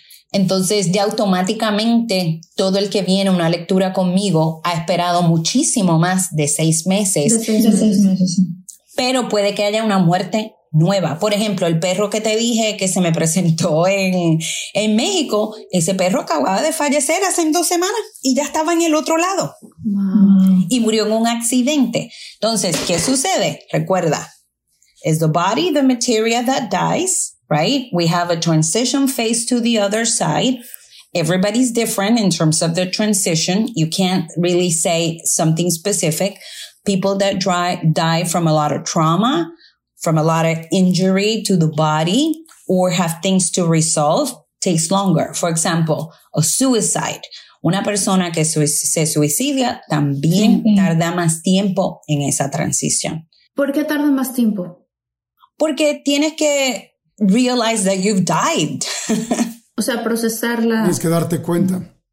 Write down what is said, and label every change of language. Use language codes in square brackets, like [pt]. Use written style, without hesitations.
[es] Entonces ya automáticamente todo el que viene a una lectura conmigo ha esperado muchísimo más de 6 meses. Pero puede que haya una muerte nueva. Por ejemplo, el perro que te dije que se me presentó en México, ese perro acababa de fallecer hace 2 semanas y ya estaba en el otro lado. Wow. Y murió en un accidente. Entonces, ¿qué sucede? Recuerda, [en] is the body the material that dies, right? We have a transition phase to the other side. Everybody's different in terms of the transition. You can't really say something specific. People that die from a lot of trauma, from a lot of injury to the body or have things to resolve, takes longer. For example, a suicide. [es] Una persona que se suicida también tarda más tiempo en esa transición. ¿Por qué tarda más tiempo? Porque tienes que [en] realize that you've died. [es] O sea, procesarla. Tienes que darte cuenta.